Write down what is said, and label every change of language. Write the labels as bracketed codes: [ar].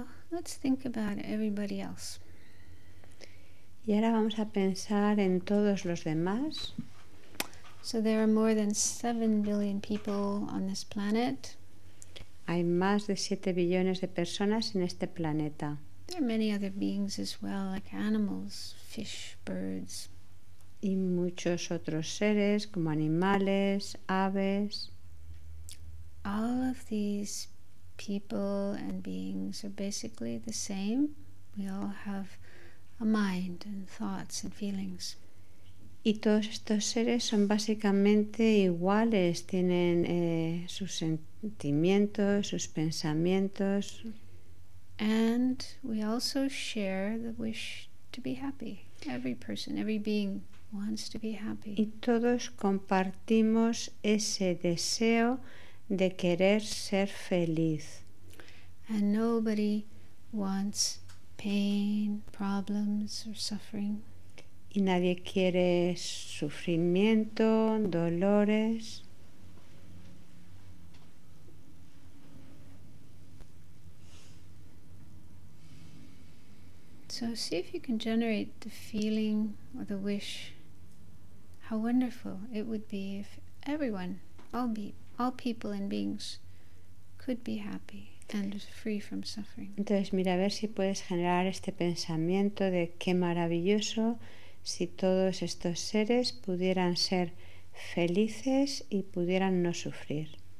[en] Let's think about everybody else. [es] Y ahora vamos a pensar en todos los demás. [en] So there are more than 7 billion people on this planet. [es] Hay más de 7 billones de personas en este planeta. [en] There are many other beings as well, like animals, fish, birds. [es] Y muchos otros seres como animales, aves. [en] All of these people and beings are basically the same. We all have a mind and thoughts and feelings. [es] Y todos estos seres son básicamente iguales, tienen sus sentimientos, sus pensamientos. [en] And we also share the wish to be happy. Every person, every being wants to be happy. [es] Y todos compartimos ese deseo de querer ser feliz. [en] And nobody wants pain, problems, or suffering. [es] Y nadie quiere sufrimiento, dolores. [en] So see if you can generate the feeling or the wish, how wonderful it would be if everyone, all people and beings, could be happy and free from suffering. [es] Entonces mira a ver si puedes generar este pensamiento de qué maravilloso si todos estos seres pudieran ser felices y pudieran no sufrir.